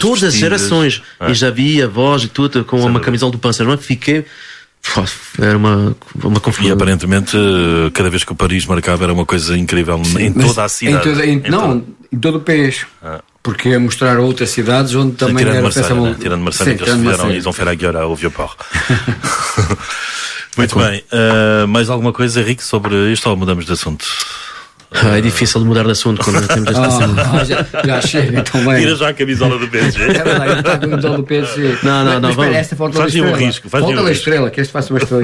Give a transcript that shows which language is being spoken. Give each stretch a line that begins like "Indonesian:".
Portuguese: todas as gerações. É. E já vi a voz e tudo, com uma camisola do Paris Saint-Germain, fiquei... Era uma confusão. E aparentemente, cada vez que o Paris marcava, era uma coisa incrível. Sim, em toda a cidade. Em todo o país. Porque ia mostrar outras cidades onde também tirando era Marseille, né? Tirando Marseille, eles fizeram,
French: ils ont fait la guerre au Vieux-Port.
Portuguese: Muito bem. Mais alguma coisa, Henrique, sobre isto ou mudamos de assunto? É difícil de mudar de assunto quando temos esta semana. Já chega, então bem. Tira já a camisola do PSG. É verdade, está com a camisola do PSG. Não, espera, esta falta da estrela. Faz um risco. Que este faça uma estrela.